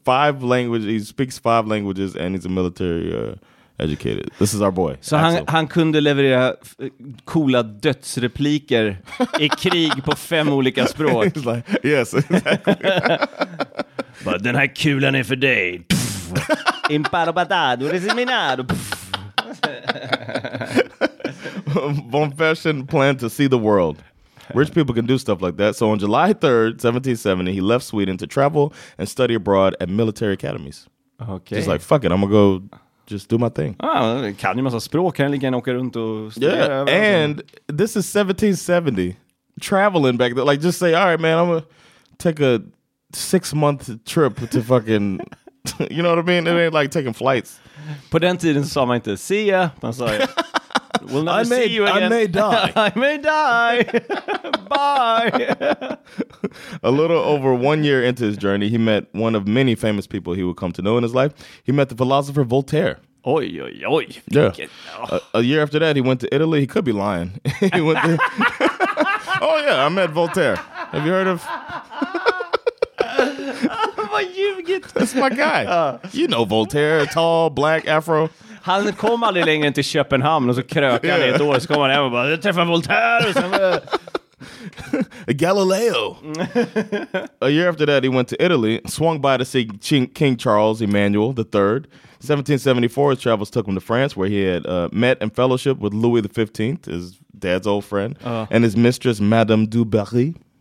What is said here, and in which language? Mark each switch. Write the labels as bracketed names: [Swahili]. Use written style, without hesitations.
[English] Five languages, he speaks five languages, and he's a military educated. This is our boy. [Swedish] Så han kunde leverera coola dödsrepliker i krig på fem olika språk. [English] He's like, yes, exactly. [Swedish] But den här kulan är för dig. Imparo patado, resiminado. [English] Von Fersen planned to see the world. Rich people can do stuff like that. So on July 3rd, 1770, he left Sweden to travel and study abroad at military academies. Okay. Just like, fuck it, I'm gonna go just do my thing. [Swedish] Ah, kan ju massa språk, kan lika gärna åka runt och studera. [English] Yeah, and this is 1770, traveling back there. Like, just say, all right, man, I'm gonna take a six-month trip to fucking, you know what I mean? It ain't like taking flights. [Swedish] På den tiden sa man inte, [English] see ya. [Swedish] Man sa, [English] we'll never see you again. I may die. I may die. Bye. A little over 1 year into his journey, he met one of many famous people he would come to know in his life. He met the philosopher Voltaire. Oy, oy, oy. Yeah. A year after that, he went to Italy. He could be lying. He went there. Oh, yeah, I met Voltaire. Have you heard of... That's my guy. You know Voltaire, tall, black, afro. [Swedish] Han kom aldrig längre till Köpenhamn och så krökade han ett år. Så kom han hem och bara, jag träffar Voltaire. Och sen, Galileo. [English] A year after that, he went to Italy, swung by to see King Charles Emmanuel III. 1774, his travels took him to France, where he had met and fellowship with Louis XV, his dad's old friend, and his mistress, Madame du Barry.